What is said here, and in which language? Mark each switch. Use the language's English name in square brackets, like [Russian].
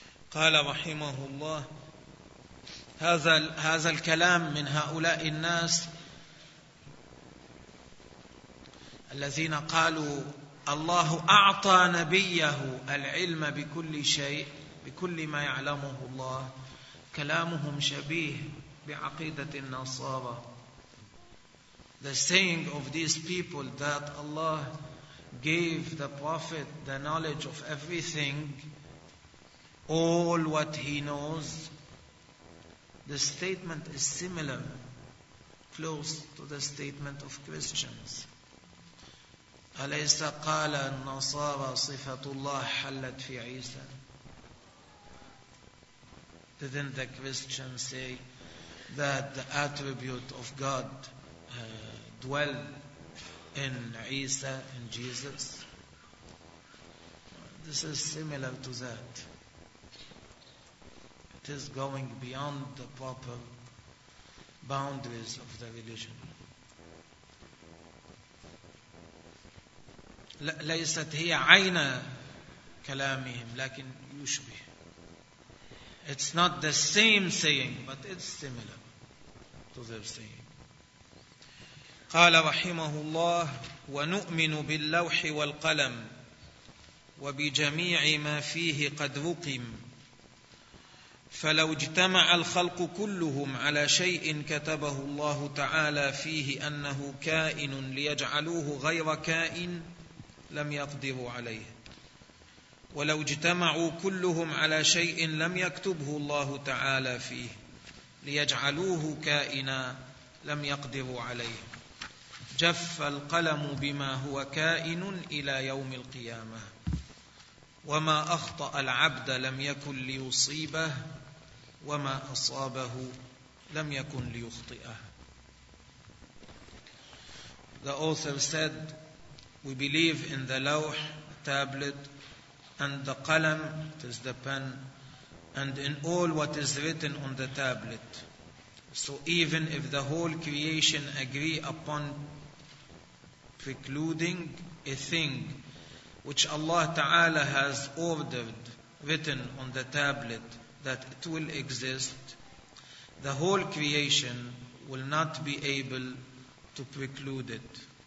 [Arabic] قال رحمه الله هذا الكلام من هؤلاء الناس الذين قالوا الله أعطى نبيه العلم بكل شيء بكل ما يعلمه الله. كلامهم شبيه بعقيدة النصارى. [English] The saying of these people that Allah gave the prophet the knowledge of everything, all what he knows, the statement is similar, close to the statement of Christians. [Arabic] أَلَيْسَ قَالَ النَّصَارَ صِفَةُ اللَّهِ حَلَّتْ فِي عِيسَى. [English] Didn't the Christians say that the attribute of God dwell in Isa, in Jesus? This is similar to that. It is going beyond the proper boundaries of the religion. [Arabic] ليست هي عين كلامهم لكن يشبه. [English] It's not the same saying, but it's similar to their saying. [Arabic] قال رحمه الله ونؤمن باللوح والقلم وبجميع ما فيه قد رقم. فلو اجتمع الخلق كلهم على شيء كتبه الله تعالى فيه أنه كائن ليجعلوه غير كائن لم يقدروا عليه. ولو اجتمعوا كلهم على شيء لم يكتبه الله تعالى فيه ليجعلوه كائنا لم يقدروا عليه. جف القلم بما هو كائن إلى يوم القيامة. وما أخطأ العبد لم يكن ليصيبه وما أصابه لم يكن ليخطئه. [English] The author said, we believe in the lawh, tablet, and the qalam, it is the pen, and in all what is written on the tablet. So even if the whole creation agree upon precluding a thing which Allah Ta'ala has ordered, written on the tablet, that it will exist, the whole creation will not be able to preclude it.